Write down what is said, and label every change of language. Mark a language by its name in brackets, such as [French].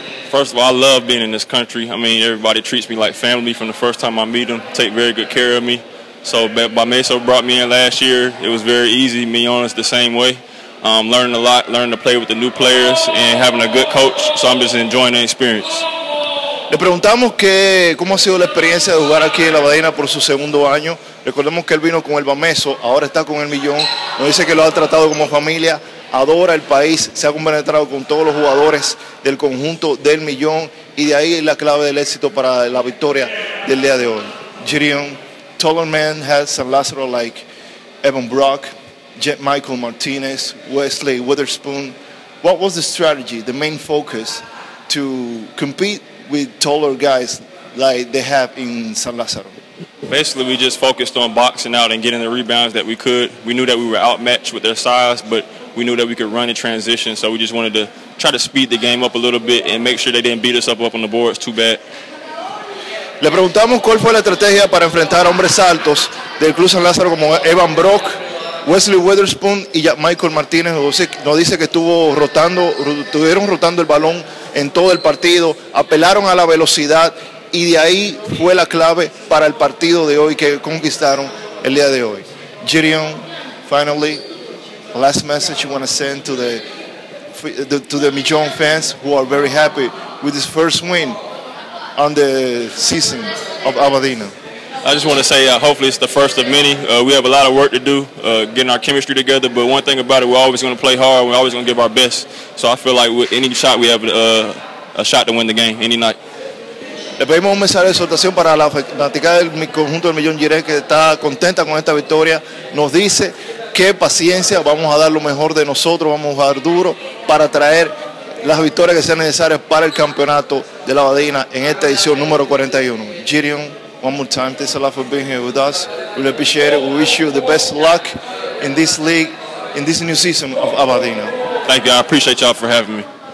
[English] First of all, I love being in this country. I mean, everybody treats me like family from the first time I meet them. Take very good care of me. So Bameso brought me in last year. It was very easy, me on us the same way. Learned a lot, learned to play with the new players and having a good coach. So I'm just enjoying the experience. [Spanish] Le preguntamos que cómo ha sido la experiencia de jugar aquí en La Badena por su segundo año. Recordemos que él vino con el Bameso, ahora está con el Millón. Nos dice que lo ha tratado como familia, adora el país, se ha compenetrado con todos los jugadores del conjunto del Millón y de ahí la clave del éxito para la victoria del día de hoy. [English] Gideon, taller man has San Lázaro like Evan Brock, Jet Michael Martinez, Wesley Witherspoon. What was the strategy, the main focus to compete with taller guys like they have in San Lázaro? Basically, we just focused on boxing out and getting the rebounds that we could. We knew that we were outmatched with their size, but we knew that we could run in transition, so we just wanted to try to speed the game up a little bit and make sure they didn't beat us up on the boards too bad. [Spanish] Le preguntamos cuál fue la estrategia para enfrentar a hombres altos del Club San Lázaro como Evan Brock, Wesley Witherspoon y Michael Martinez. José nos dice que estuvieron rotando el balón en todo el partido, apelaron a la velocidad y de ahí fue la clave para el partido de hoy que conquistaron el día de hoy. [English] Gideon, finally, last message you want to send to the Millón fans who are very happy with this first win on the season of Abadina. I just want to say hopefully it's the first of many. We have a lot of work to do getting our chemistry together, but one thing about it, we're always going to play hard, we're always going to give our best. So I feel like with any shot we have a shot to win the game any night. [Spanish] Le pedimos un mensaje de exhortación para la fanática del conjunto del Millón Jerez que está contenta con esta victoria. Nos dice qué paciencia, vamos a dar lo mejor de nosotros, vamos a jugar duro para traer las victorias que sean necesarias para el campeonato de la Badina en esta edición número 41. [English] Gideon, one more time, thanks a lot for being here with us. We appreciate it. We wish you the best luck in this league, in this new season of Abadina. Thank you. I appreciate y'all for having me.